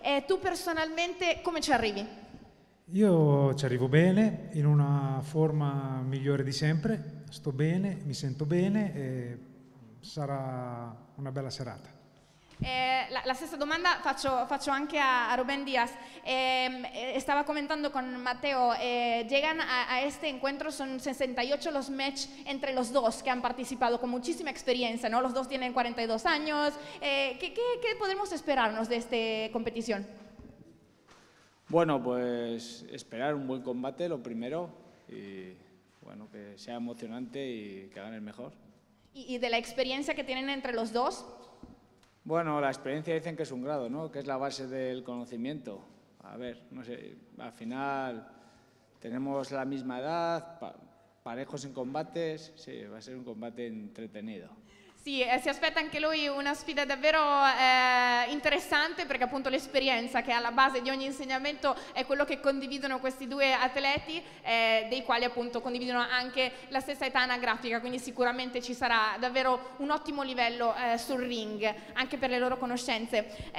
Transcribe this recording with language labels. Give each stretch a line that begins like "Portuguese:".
Italian: Tu personalmente come ci arrivi? Io ci arrivo bene, in una forma migliore di sempre. Sto bene, mi sento bene e sarà una bella serata. La stessa domanda faccio anche a Rubén Díaz.
Spanish: Stava comentando con Matteo, llegan a este encuentro, son 68 los match entre los dos que han participado con muchísima experiencia, ¿no? Los dos tienen 42 años. ¿Qué podemos esperarnos de esta competición? Bueno, pues esperar un buen combate, lo primero, y bueno, que sea emocionante y que hagan el mejor. ¿Y de la experiencia que tienen entre los dos? Bueno, la experiencia dicen que es un grado, ¿no? Que es la base del conocimiento. A ver, no sé, al final tenemos la misma edad, parejos en combates, sí, va a ser un combate entretenido.
Italian: Sì, si aspetta anche lui una sfida davvero interessante, perché appunto l'esperienza che è alla base di ogni insegnamento è quello che condividono questi due atleti, dei quali appunto condividono anche la stessa età anagrafica, quindi sicuramente ci sarà davvero un ottimo livello sul ring, anche per le loro conoscenze.